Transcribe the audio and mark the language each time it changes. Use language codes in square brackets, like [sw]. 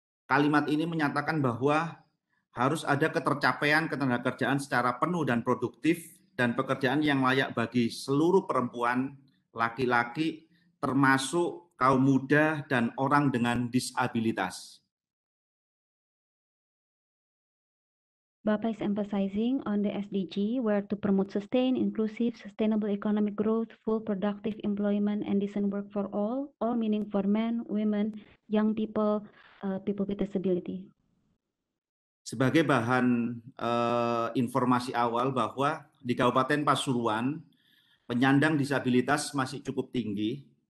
[id] Kalimat ini menyatakan bahwa harus ada ketercapaian ketenagakerjaan secara penuh dan produktif dan pekerjaan yang layak bagi seluruh perempuan, laki-laki, termasuk kaum muda dan orang dengan disabilitas. [en] BAPA is emphasizing on the SDG where to promote sustained, inclusive, sustainable economic growth, full productive employment and decent work for all meaning for men, women, young people, people with disability. [id] Sebagai bahan informasi awal bahwa di Kabupaten Pasuruan, penyandang disabilitas masih cukup tinggi.